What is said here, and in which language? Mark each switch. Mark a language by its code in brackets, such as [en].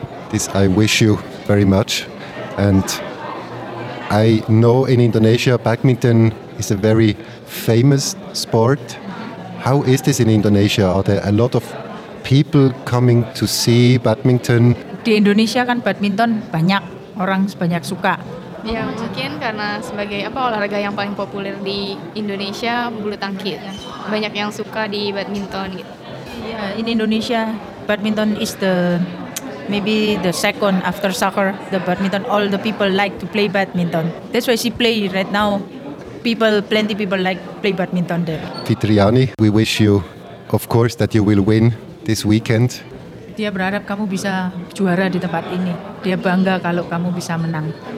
[en] This I wish you very much, and I know in Indonesia badminton is a very famous sport. How is this in Indonesia? Are there a lot of people coming to see badminton? [id] Di Indonesia kan badminton banyak orang sebanyak suka. Ya mungkin karena sebagai apa olahraga yang paling populer di Indonesia bulu tangkis, banyak yang suka di badminton gitu. [en] Yeah, in Indonesia badminton is the maybe the second after soccer, the badminton, all the people like to play badminton. That's why she play right now. Plenty people like play badminton there. Fitriani, we wish you, of course, that you will win this weekend. [id] Dia berharap kamu bisa juara di tempat ini. Dia bangga kalau kamu bisa menang.